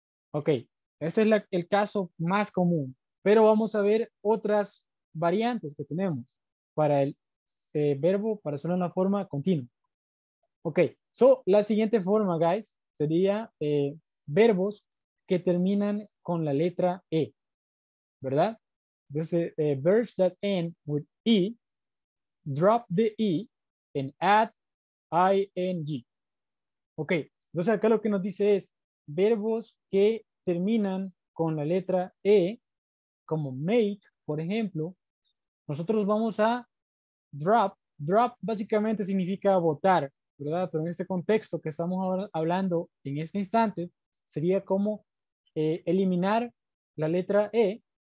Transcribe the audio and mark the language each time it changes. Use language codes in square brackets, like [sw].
[es] Ok, este es el caso más común, pero vamos a ver otras variantes que tenemos para el verbo, para solo una forma continua. Ok, so la siguiente forma, guys, sería verbos que terminan con la letra E. ¿Verdad? [en] Entonces, verbs that end with E, drop the E and add ing. [es] Ok, entonces acá lo que nos dice es verbos que terminan con la letra E, como make, por ejemplo, nosotros vamos a drop. Drop básicamente significa botar, ¿verdad? Pero en este contexto que estamos hablando en este instante, sería como eliminar la letra E.